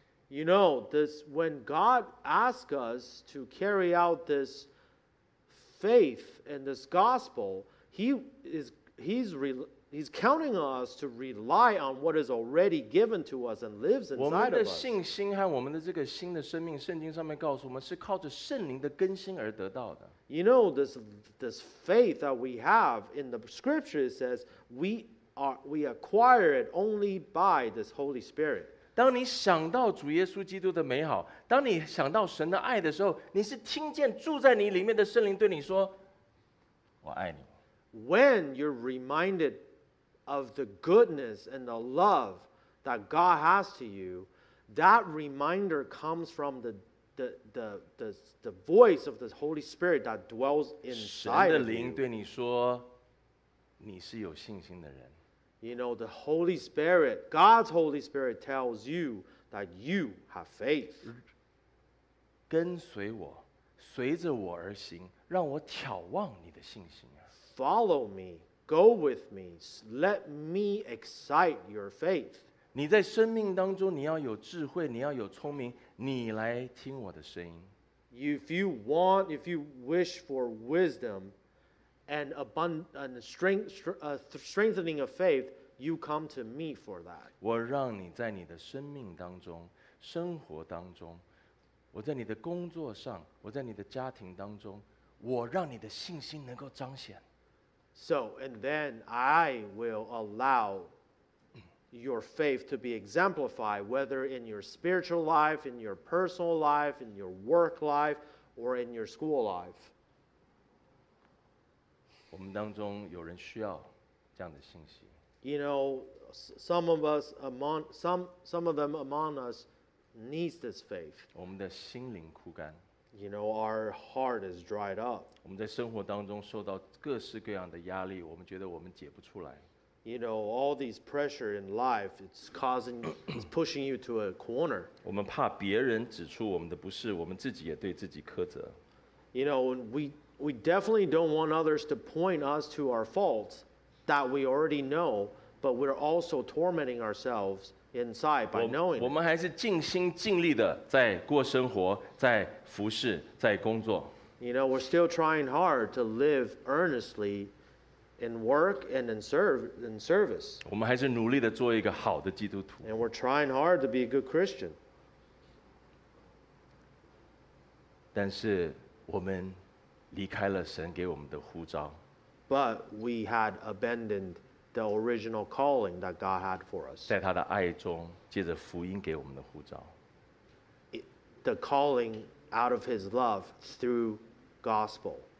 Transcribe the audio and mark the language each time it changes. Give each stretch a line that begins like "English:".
English: You know, this, when God asks us to carry out this faith and this gospel, he's counting us to rely on what is already given to us and lives inside of us.
Chinese: 我们的信心和我们的这个新的生命，圣经上面告诉我们是靠着圣灵的更新而得到的。
English: You know, this faith that we have in the scripture says we acquire it only by this Holy Spirit.
Chinese: 当你想到主耶稣基督的美好，当你想到神的爱的时候，你是听见住在你里面的圣灵对你说，我爱你。
English: When you're reminded of the goodness and the love that God has to you, that reminder comes from the voice of the Holy Spirit that dwells inside of you.
Chinese: 神的灵对你说，你是有信心的人。
English: You know, the Holy Spirit, God's Holy Spirit tells you that you have faith.
Chinese: 跟随我，随着我而行，让我眺望你的信心啊。
English: Follow me, go with me, let me excite your faith.
Chinese: 你在生命当中，你要有智慧，你要有聪明，你来听我的声音。
English: If you want, if you wish for wisdom and strengthening of faith, you come to me for that.
Chinese: 我让你在你的生命当中，生活当中，我在你的工作上，我在你的家庭当中，我让你的信心能够彰显。
English: So, and then I will allow your faith to be exemplified, whether in your spiritual life, in your personal life, in your work life, or in your school life.
Chinese: 我们当中有人需要这样的信息。
English: You know, some of us among us needs this faith.
Chinese: 我们的心灵枯干。
English: You know, our heart is dried up.
Chinese: 我们在生活当中受到各式各样的压力，我们觉得我们解不出来。
English: You know, all these pressure in life, it's pushing you to a corner.
Chinese: 我们怕别人指出我们的不是，我们自己也对自己苛责。
English: You know, we definitely don't want others to point us to our faults that we already know, but we're also tormenting ourselves. Inside by knowing,
Chinese: 我们还是尽心尽力的在过生活，在服事，在工作。
English: You know, we're still trying hard to live earnestly in work and in service.
Chinese: 我们还是努力的做一个好的基督徒。
English: And we're trying hard to be a good Christian.
Chinese: 但是我们离开了神给我们的呼召。
English: But we had abandoned. The original calling that God had for us.
Chinese: 在他的爱中，借着福音给我们的呼召。
English: the calling out of his love through gospel.